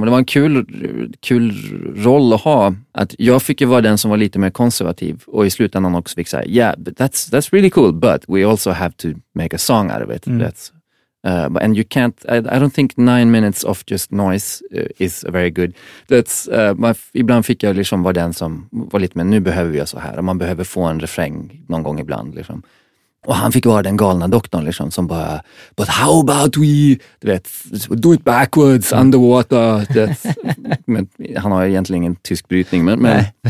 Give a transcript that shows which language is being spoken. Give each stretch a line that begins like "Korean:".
Swedish: Det var en kul roll att ha. Att jag fick ju vara den som var lite mer konservativ. Och i slutändan också fick säga,
English: yeah, that's really cool, but we also have to make a song out of it. Mm. And you can't, I don't think 9 minutes of just noise is very good.
Swedish: Ibland fick jag liksom vara den som var lite mer, nu behöver vi så här. Och man behöver få en refräng någon gång ibland liksom. Och han fick vara den galna doktorn liksom, som bara,
English: but how about we,
Swedish: du vet,
English: do it backwards, underwater.
Swedish: Men han har egentligen ingen tysk brytning, men